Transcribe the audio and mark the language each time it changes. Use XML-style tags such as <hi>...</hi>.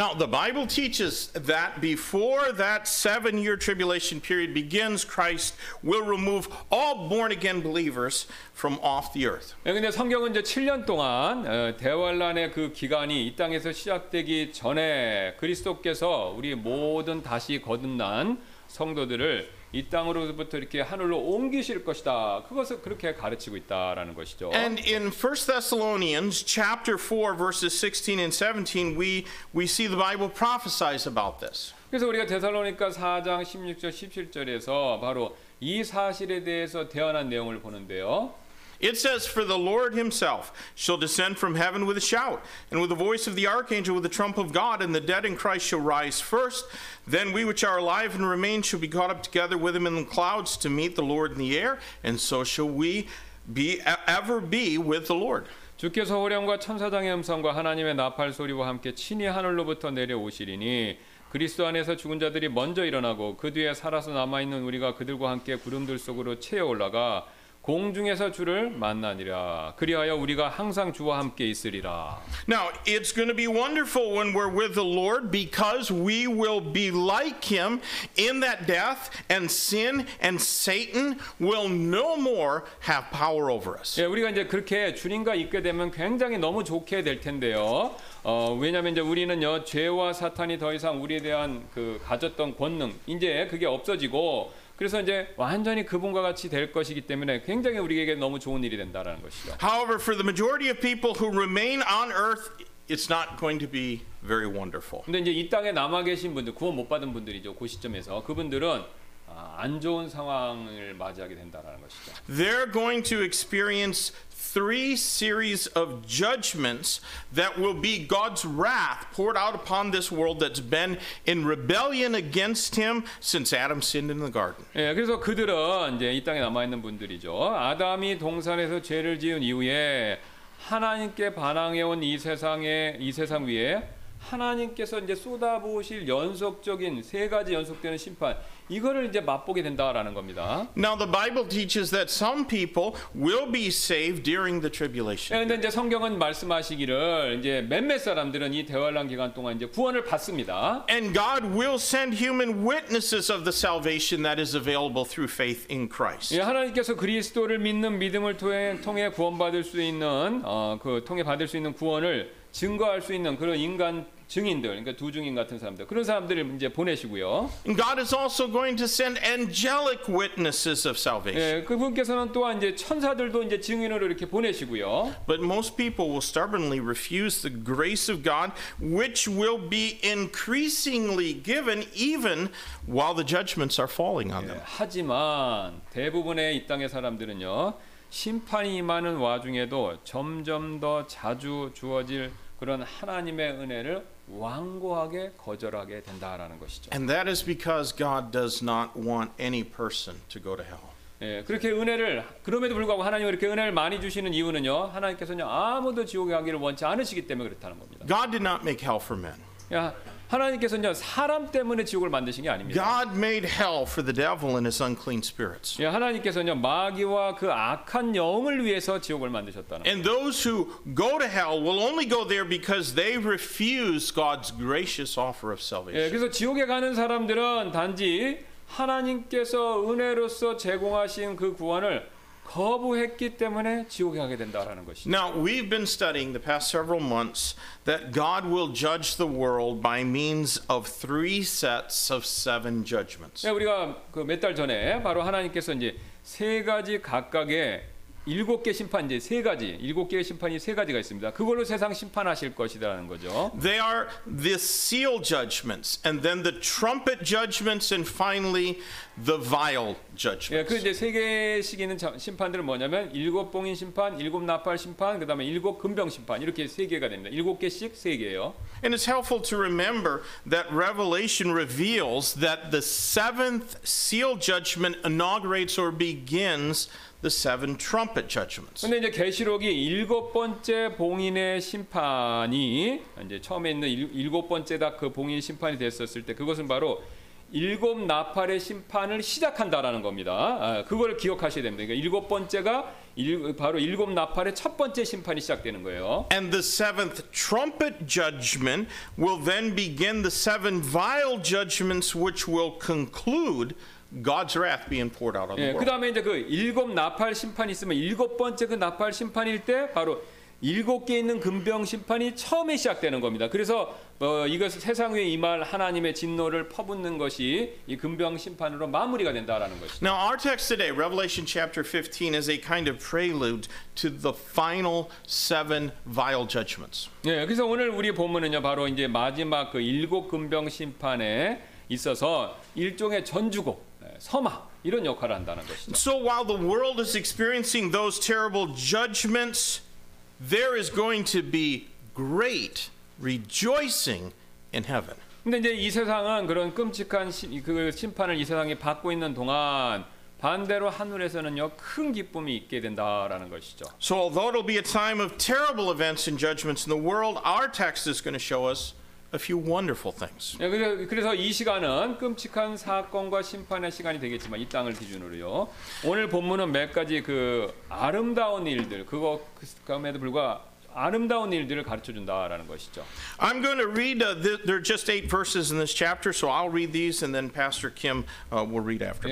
<en>Now the Bible teaches that before that 7 year tribulation period begins, Christ will remove all born again believers from off the earth.</en> <ko>근데 성경은 이제 7년 동안 대환란의 그 기간이 이 땅에서 시작되기 전에 그리스도께서 우리 모든 다시 거듭난 성도들을 이 땅으로부터 이렇게 하늘로 옮기실 것이다. 그것을 그렇게 가르치고 있다라는 것이죠.</ko> <en>And in 1 Thessalonians chapter 4 verses 16 and 17 we see the Bible prophesies about this.</en> <ko>그래서 우리가 데살로니가 4장 16절 17절에서 바로 이 사실에 대해서 대언한 내용을 보는데요.</ko> <en>It says, For the Lord himself shall descend from heaven with a shout, and with the voice of the archangel, with the trump of God, and the dead in Christ shall rise first. Then we which are alive and remain shall be caught up together with him in the clouds to meet the Lord in the air, and so shall we be ever be with the Lord.</en> <ko>주께서 호령과 천사장의 음성과 하나님의 나팔 소리와 함께 친히 하늘로부터 내려오시리니 그리스도 안에서 죽은 자들이 먼저 일어나고 그 뒤에 살아서 남아있는 우리가 그들과 함께 구름들 속으로 채어 올라가 공중에서 주를 만나니라. 그리하여 우리가 항상 주와 함께 있으리라.</ko> <en>Now it's going to be wonderful when we're with the Lord because we will be like Him in that death, and sin and Satan will no more have power over us.</en> <ko>예, 우리가 이제 그렇게 주님과 있게 되면 굉장히 너무 좋게 될 텐데요. 왜냐하면 이제 우리는요 죄와 사탄이 더 이상 우리에 대한 그 가졌던 권능 이제 그게 없어지고. 그래서 이제 완전히 그분과 같이 될 것이기 때문에 굉장히 우리에게 너무 좋은 일이 된다라는 것이죠.</ko> <en>However, for the majority of people who remain on earth, it's not going to be very wonderful.</en> <ko>근데 이제 이 땅에 남아 계신 분들, 구원 못 받은 분들이죠. 그 시점에서 그분들은 안 좋은 상황을 맞이하게 된다라는 것이죠.</ko> <en>They're going to experience three series of judgments that will be God's wrath poured out upon this world that's been in rebellion against him since Adam sinned in the garden.</en> <ko>예, 그래서 그들은 이제 이 땅에 남아 있는 분들이죠. 아담이 동산에서 죄를 지은 이후에 하나님께 반항해 온 이 세상에 이 세상 위에 하나님께서 이제 쏟아부으실 연속적인 세 가지 연속되는 심판 이거를 이제 맛보게 된다라는 겁니다.</ko> <en>Now the Bible teaches that some people will be saved during the tribulation.</en> <ko>그런데 이제 성경은 말씀하시기를 이제 몇몇 사람들은 이 대환란 기간 동안 이제 구원을 받습니다.</ko> <en>And God will send human witnesses of the salvation that is available through faith in Christ.</en> <ko>예, 하나님께서 그리스도를 믿는 믿음을 통해 구원받을 수 있는 그 통해 받을 수 있는 구원을 증거할 수 있는 그런 인간 증인들, 그러니까 두 증인 같은 사람들, 그런 사람들을 이제 보내시고요.</ko> <en>God is also going to send angelic witnesses of salvation.</en> <ko>예, 그분께서는 또한 이제 천사들도 이제 증인으로 이렇게 보내시고요.</ko> <en>But most people will stubbornly refuse the grace of God, which will be increasingly given even while the judgments are falling on them.</en> <ko>예, 하지만 대부분의 이 땅의 사람들은요. 심판이 임하는 와중에도 점점 더 자주 주어질 그런 하나님의 은혜를 완고하게 거절하게 된다라는 것이죠.</ko> <en>And that is because God does not want any person to go to hell.</en> <ko>예, 그렇게 은혜를 그럼에도 불구하고 하나님이 이렇게 은혜를 많이 주시는 이유는요. 하나님께서는 아무도 지옥에 가기를 원치 않으시기 때문에 그렇다는 겁니다.</ko> <en>God did not make hell for men.</en> <ko>야, 하나님께서는 사람 때문에 지옥을 만드신 게 아닙니다.</ko> <en>God made hell for the devil and his unclean spirits.</en> <ko>예, 하나님께서는 마귀와 그 악한 영을 위해서 지옥을 만드셨다는.</ko> <en>And those who go to hell will only go there because they refuse God's gracious offer of salvation.</en> <ko>예, 그래서 지옥에 가는 사람들은 단지 하나님께서 은혜로서 제공하신 그 구원을 거부했기 때문에 지옥에 가게 된다라는 것이죠.</ko> <en>Now we've been studying the past several months that God will judge the world by means of three sets of seven judgments.</en> <ko>예, 우리가 그 몇 달 전에 바로 하나님께서 이제 세 가지 각각의 일곱 개 심판 이제 세 가지 일곱 개의 심판이 세 가지가 있습니다. 그걸로 세상 심판하실 것이라는 거죠.</ko> <en>They are the seal judgments and then the trumpet judgments and finally the vial judgments.</en> <ko>예, 그 이제 세 개씩 있는 심판들은 뭐냐면 일곱 봉인 심판, 일곱 나팔 심판, 그다음에 일곱 금병 심판 이렇게 세 개가 됩니다. 일곱 개씩 세 개예요.</ko> <en>And it's helpful to remember that Revelation reveals that the seventh seal judgment inaugurates or begins the seven trumpet judgments.</en> <ko>근데 이제 계시록이 일곱 번째 봉인의 심판이 이제 처음에 있는 일곱 번째다 그 봉인 심판이 됐었을 때 그것은 바로 일곱 나팔의 심판을 시작한다라는 겁니다. 아, 그거를 기억하셔야 됩니다. 그러니까 일곱 번째가 바로 일곱 나팔의 첫 번째 심판이 시작되는 거예요.</ko> <en>And the seventh trumpet judgment will then begin the seven vial judgments which will conclude God's wrath being poured out on the world.</en> <ko>예, 그다음에 이제 그 일곱 나팔 심판이 있으면 일곱 번째 그 나팔 심판일 때 바로 일곱 개 있는 금병 심판이 처음에 시작되는 겁니다. 그래서 이것을 세상 위에 임할 하나님의 진노를 퍼붓는 것이 이 금병 심판으로 마무리가 된다라는 것이죠.</ko> <en>Now our text today, Revelation chapter 15, is a kind of prelude to the final seven vial judgments.</en> <ko>예, 그래서 오늘 우리 본문은요 바로 이제 마지막 그 일곱 금병 심판에 있어서 일종의 전주곡. 서마 이런 역할을 한다는 것이죠.</ko> <en>So while the world is experiencing those terrible judgments, there is going to be great rejoicing in heaven.</en> <ko>근데 이제 이 세상은 그런 끔찍한 그 심판을 이 세상이 받고 있는 동안 반대로 하늘에서는요 큰 기쁨이 있게 된다라는 것이죠.</ko> <en>So although it'll be a time of terrible events and judgments in the world, our text is going to show us a few wonderful things.</en> <ko>그래서 이 시간은 끔찍한 사건과 심판의 시간이 되겠지만 이 땅을 기준으로요. 오늘 본문은 몇 가지 그 아름다운 일들 그것에도 불구하고 아름다운 일들을 가르쳐 준다라는 것이죠.</ko> <en>I'm going to read there are just eight verses in this chapter, so I'll read these and then Pastor Kim will read after.</en>